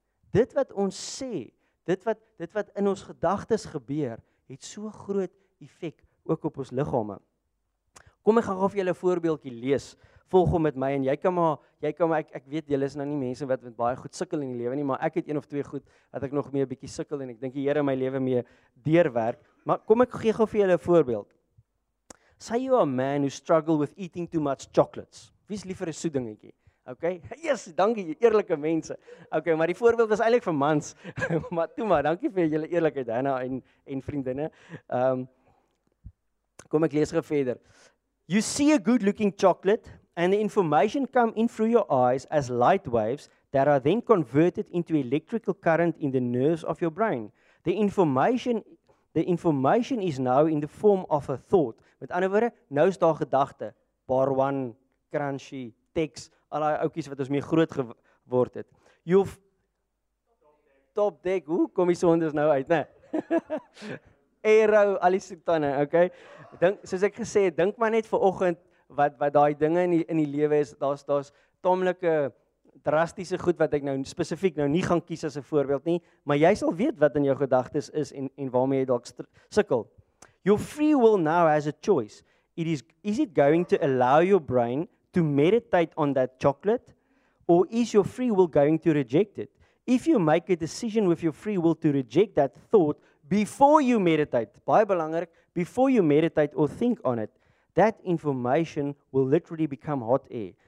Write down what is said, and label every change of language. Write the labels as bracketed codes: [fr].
[af] Dit wat ons sê, dit wat in ons gedagtes gebeur, het so groot effek ook op ons liggame. Kom ek gaan gou vir julle 'n voorbeeldjie lees. Volg hom met my en jy kan maar ek weet julle is nou nie mense wat met baie goed sukkel in die lewe nie, maar ek het een of twee goed wat ek nog mee 'n bietjie sukkel en ek dink die Here my lewe mee deurwerk. Maar kom ek gee gou vir julle 'n voorbeeld. [en] Say you a man who struggle with eating too much chocolates. [af] Wie's liever 'n soet dingetjie? Okay? Yes, dankie eerlike mense. Okay, maar die voorbeeld was eintlik vir mans. Maar toe maar, dankie vir julle eerlikheid Hannah en vriendinne. Kom ek lees gou verder. [en] You see a good-looking chocolate and the information come in through your eyes as light waves that are then converted into electrical current in the nerves of your brain. The information is now in the form of a thought. [af] Met ander woorde, nou is daar gedagte. Bar one, crunchy, text, al die oudjies wat ons mee groot geword het. You've top deck, hoe kom die sondes nou uit, né? Aero, al die soetanne, okay? Dink, soos ek gesê het, dink maar net vir oggend wat daai dinge in die lewe is. Daar's tamelike drastiese goed wat ek nou spesifiek nou nie gaan kies as 'n voorbeeld nie, maar jy sal weet wat in jou gedagtes is en waarmee jy dalk sukkel. [en] Your free will now has a choice. Is it going to allow your brain to meditate on that chocolate or is your free will going to reject it? If you make a decision with your free will to reject that thought before you meditate, [af] baie belangrik, [en] before you meditate or think on it, that information will literally become hot air.